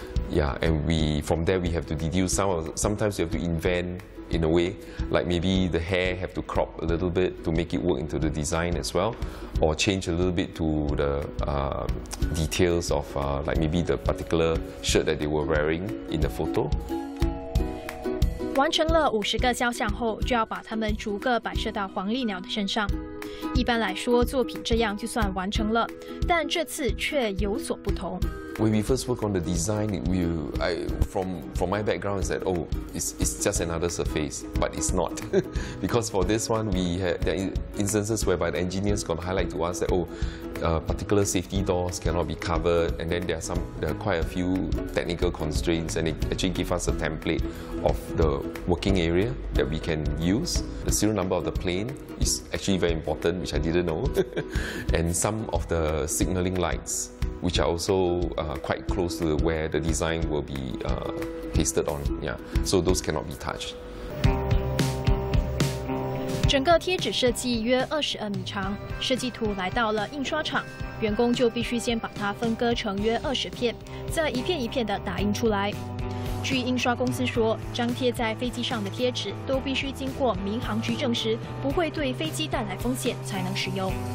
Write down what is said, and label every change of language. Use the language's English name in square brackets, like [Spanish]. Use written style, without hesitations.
[English] Yeah, and from there we have to deduce sometimes we have to invent in a way, like maybe the hair have to crop a little bit to make it work into the design as well, or change a little bit to the details of like maybe the particular shirt that they were wearing in the photo. [Chinese] 完成了50个肖像后，就要把它们逐个摆设到黄鹂鸟的身上。一般来说，作品这样就算完成了，但这次却有所不同。 [English] When we first work on the design, from my background is that, oh, it's just another surface, but it's not. Because for this one, there are instances whereby the engineers can highlight to us that, particular safety doors cannot be covered, and then there are quite a few technical constraints, and it actually give us a template of the working area that we can use. The serial number of the plane is actually very important, which I didn't know. And some of the signaling lights, which are also quite close to where the design will be pasted on, yeah. So those cannot be touched. [Chinese] 整个贴纸设计约22米长，设计图来到了印刷厂，员工就必须先把它分割成约20片，再一片一片的打印出来。据印刷公司说，张贴在飞机上的贴纸都必须经过民航局证实，不会对飞机带来风险才能使用。